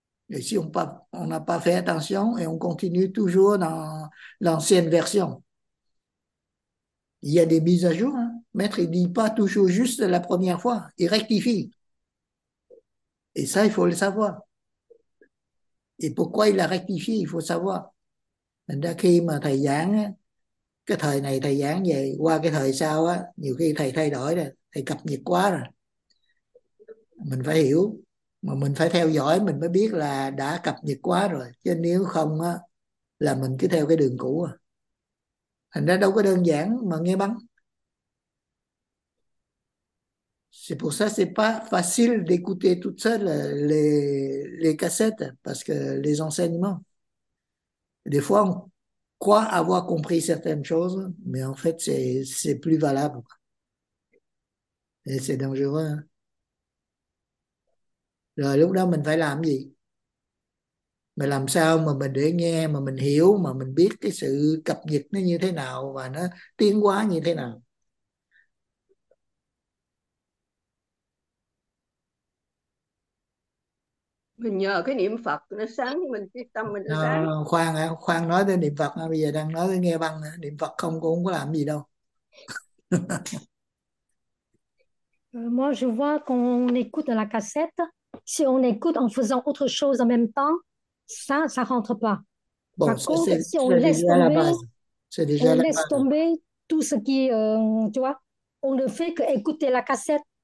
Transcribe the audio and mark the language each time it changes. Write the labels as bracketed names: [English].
[French] Et si on n'a pas fait attention et on continue toujours dans l'ancienne version. Il y a des mises à jour, hein. Maître, il dit pas toujours juste la première fois, il rectifie. Et ça, il faut le savoir. Et pourquoi il a rectifié, il faut savoir. [Vietnamese] Thành ra khi mà thầy giảng, cái thời này thầy giảng vậy, qua cái thời sau á, nhiều khi thầy thay đổi rồi, thầy cập nhật quá rồi. Mình phải hiểu, mà mình phải theo dõi, mình mới biết là đã cập nhật quá rồi. Chứ nếu không á, là mình cứ theo cái đường cũ à. Thành ra đâu có đơn giản mà nghe băng. [French] C'est pour ça, c'est pas facile d'écouter toute seule les cassettes, parce que les enseignements. Des fois, on croit avoir compris certaines choses, mais en fait, c'est plus valable. Et c'est dangereux. Hein? [Vietnamese] Rồi lúc đó mình phải làm gì? mà làm sao mà mình để nghe mà mình hiểu mà mình biết cái sự cập nhật nó như thế nào và nó tiến hóa như thế nào. Mình nhờ cái niệm Phật nó sáng, mình cái tâm mình nó sáng. À, khoan khoan nói tới niệm Phật, bây giờ đang nói tới nghe băng nữa. Niệm Phật không cũng có làm gì đâu. [French] Moi, je vois qu'on écoute la cassette. Si on écoute en faisant autre chose en même temps, ça rentre pas. Bon, Par contre, si c'est déjà la base. C'est on déjà la laisse base. tomber tout ce qui, tu vois, on ne fait qu'écouter la cassette.